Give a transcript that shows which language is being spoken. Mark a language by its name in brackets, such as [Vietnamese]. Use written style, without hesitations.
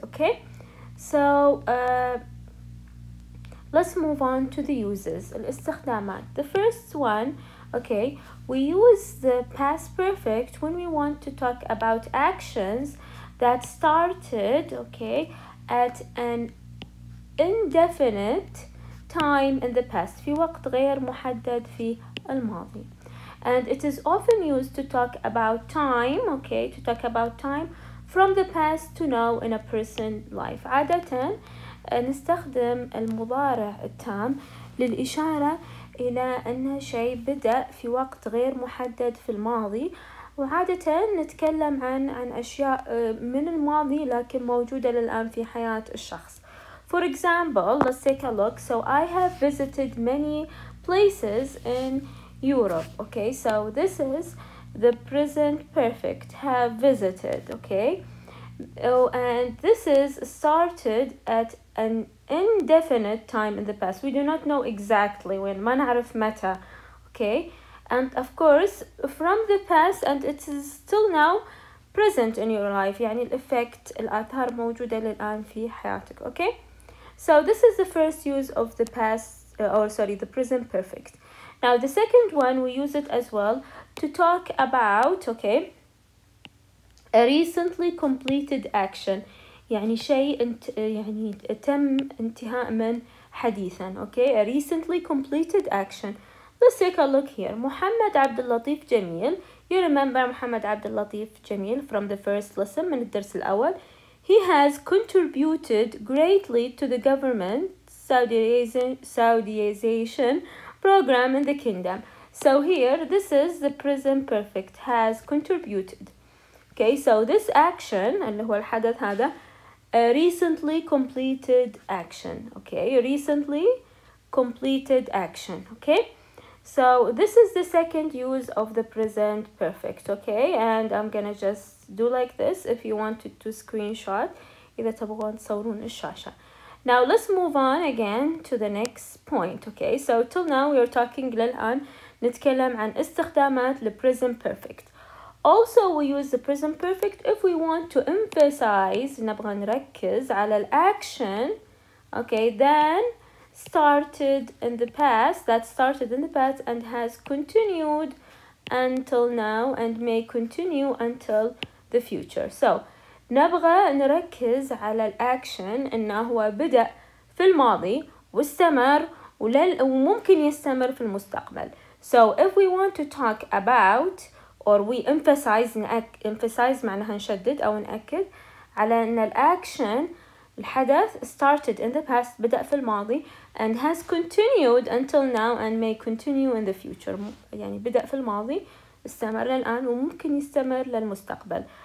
[English] Okay, so let's move on to the uses. [Arabic] الاستخدامات. [English] The first one. Okay, we use the past perfect when we want to talk about actions that started, okay, at an indefinite time in the past. [Arabic] في وقت غير محدد في الماضي. [English] And it is often used to talk about time, okay, to talk about time from the past to now in a person's life. [Arabic] عادة نستخدم المضارع التام للإشارة إلى أن شيء بدأ في وقت غير محدد في الماضي, وعادة نتكلم عن أشياء من الماضي لكن موجودة للآن في حياة الشخص. [English] For example, let's take a look. So I have visited many places in Europe. Okay, so this is the present perfect, have visited. Okay, oh, and this is started at an indefinite time in the past. We do not know exactly when, [Arabic] ما نعرف متى. [English] Okay, and of course from the past, and it is still now present in your life, [Arabic] يعني الإفكت الآثار موجودة للآن في حياتك. [English] Okay, so this is the first use of the past, the present perfect. Now the second one, we use it as well to talk about, okay, a recently completed action, [Arabic] يعني شيء انت يعني تم انتهاء من حديثا. [English] Okay, a recently completed action. Let's take a look here. محمد عبد اللطيف جميل. You remember محمد عبد اللطيف جميل from the first lesson, [Arabic] من الدرس الأول. [English] He has contributed greatly to the government Saudization program in the kingdom. So here, this is the present perfect, has contributed. Okay, so this action, [Arabic] اللي هو الحدث هذا, [English] a recently completed action, okay, a recently completed action, okay. So this is the second use of the present perfect, okay, and I'm gonna just do like this if you wanted to screenshot. [Arabic] إذا تبغون تصورون الشاشة. [English] Now let's move on again to the next point, okay. So till now we are talking, [Arabic] للآن نتكلم عن استخدامات [English] لpresent perfect. Also, we use the present perfect if we want to emphasize, [Arabic] نبغى نركز على [English] الaction, okay, then started in the past, that started in the past and has continued until now and may continue until the future. So, [Arabic] نبغى نركز على الأكشن إنه هو بدأ في الماضي واستمر وممكن يستمر في المستقبل. [English] So if we want to talk about or we emphasize [Arabic] معناها نشدد أو نأكد على أن الأكشن الحدث [English] started in the past [Arabic] بدأ في الماضي [English] and has continued until now and may continue in the future [Arabic] يعني بدأ في الماضي استمر للآن وممكن يستمر للمستقبل.